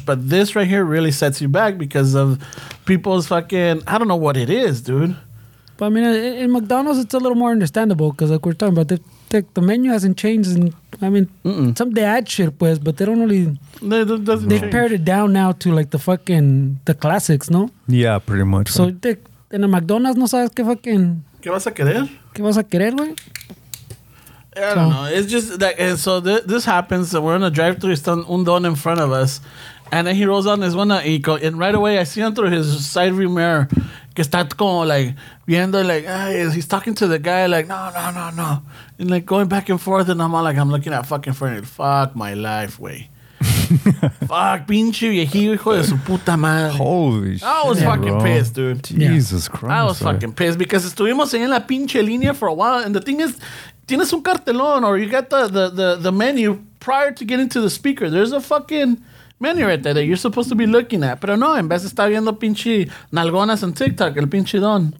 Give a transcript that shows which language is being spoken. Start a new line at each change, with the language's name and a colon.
English: But this right here really sets you back because of people's fucking... I don't know what it is, dude. But, I mean, in McDonald's, it's a little more understandable because, like, we're talking about the menu hasn't changed in... I mean, some they add shit, pues, but they don't really... They pared it down now to, like, the classics, no? Yeah, pretty much.
Spanish: So, en el McDonald's no sabes qué fucking... ¿Qué vas a querer? ¿Qué vas a querer, güey?
English: I don't know. It's just that... And so, this happens. We're in a drive-thru. It's done un don in front of us. And then he rolls on this one. And right away, I see him through his side view mirror.
Spanish: Que está como,
English: like, viendo, like, he's talking to the guy, like, no. And like going back and forth, and I'm all like, I'm looking at fucking friend. Fuck my life, way.
Spanish: Fuck, pinche viejillo, hijo de su puta madre.
English: Holy shit. I was fucking bro. Pissed, dude. Jesus Christ. I was fucking pissed because
Spanish: estuvimos ahí en la pinche línea
English: for a while. And the thing is,
Spanish: tienes un cartelón,
English: or you got the menu prior to getting to the speaker. There's a fucking menu right there that you're supposed to be looking at.
Spanish: Pero no, en vez de estar viendo pinche nalgonas en TikTok, el pinche don.